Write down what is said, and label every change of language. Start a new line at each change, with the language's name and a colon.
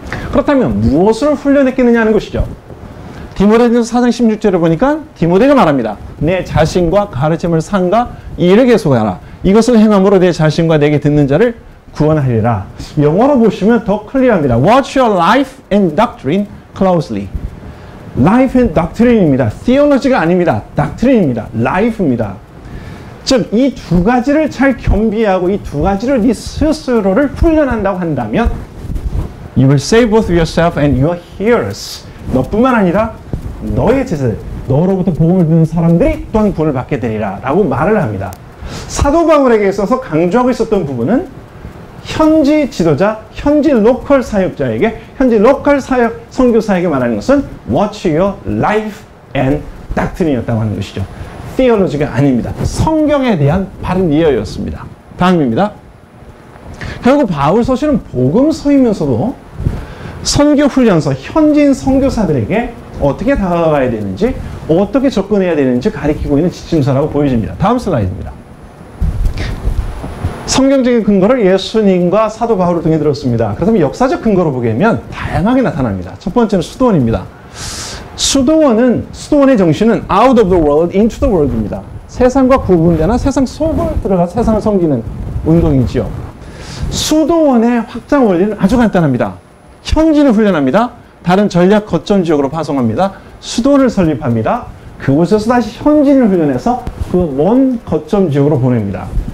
Korean: 그렇다면 무엇을 훈련했겠느냐 하는 것이죠. 디모데전서 4장 16절을 보니까 디모데가 말합니다. 내 자신과 가르침을 삼가 이를 계속하라. 이것을 행함으로 내 자신과 내게 듣는 자를 구원하리라. 영어로 보시면 더 클리어합니다.
English: Watch your life and doctrine closely. Life and doctrine입니다.
Korean: Theology가 아닙니다. Doctrine입니다. Life입니다. 즉 이 두 가지를 잘 겸비하고 이 두 가지를 네 스스로를 훈련한다고 한다면
English: You will save both yourself and your hearers.
Korean: 너뿐만 아니라 너의 제자들, 너로부터 복음을 듣는 사람들이 또한 구원을 받게 되리라 라고 말을 합니다. 사도 바울에게 있어서 강조하고 있었던 부분은 현지 지도자, 현지 로컬 사역자에게, 현지 로컬 사역, 선교사에게 말하는 것은
English: Watch your life and doctrine
Korean: 이었다고 하는 것이죠. Theology가 아닙니다. 성경에 대한 바른 이해였습니다. 다음입니다. 결국 바울 서신은 복음서이면서도 선교 훈련서, 현지인 선교사들에게 어떻게 다가가야 되는지, 어떻게 접근해야 되는지 가리키고 있는 지침서라고 보여집니다. 다음 슬라이드입니다. 성경적인 근거를 예수님과 사도 바울을 통해 들었습니다. 그렇다면 역사적 근거로 보게 되면 다양하게 나타납니다. 첫 번째는 수도원입니다. 수도원은, 수도원의 정신은
English: out of the world
Korean: into the world입니다. 세상과 구분되나 세상 속으로 들어가 세상을 섬기는 운동이지요. 수도원의 확장 원리는 아주 간단합니다. 현지를 훈련합니다. 다른 전략 거점 지역으로 파송합니다. 수도원을 설립합니다. 그곳에서 다시 현지를 훈련해서 그 먼 거점 지역으로 보냅니다.